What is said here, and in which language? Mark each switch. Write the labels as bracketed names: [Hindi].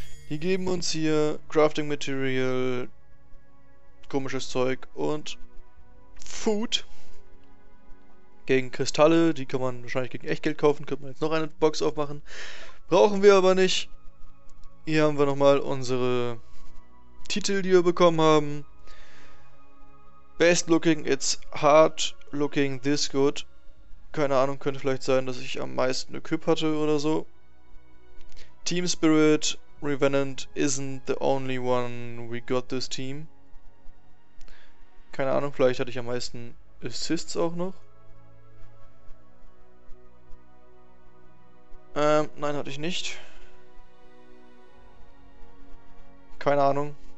[German] Die geben uns hier Crafting Material, komisches Zeug und Food gegen Kristalle, die kann man wahrscheinlich gegen Echtgeld kaufen, könnte man jetzt noch eine Box aufmachen. Brauchen wir aber nicht. Hier haben wir nochmal unsere Titel, die wir bekommen haben. [English] Best looking, it's hard looking this good. [German] Keine Ahnung, könnte vielleicht sein, dass ich am meisten Equip hatte oder so. [English] Team Spirit, Revenant isn't the only one we got this team. [German] Keine Ahnung, vielleicht hatte ich am meisten Assists auch noch. Nein, hatte ich nicht. Keine Ahnung.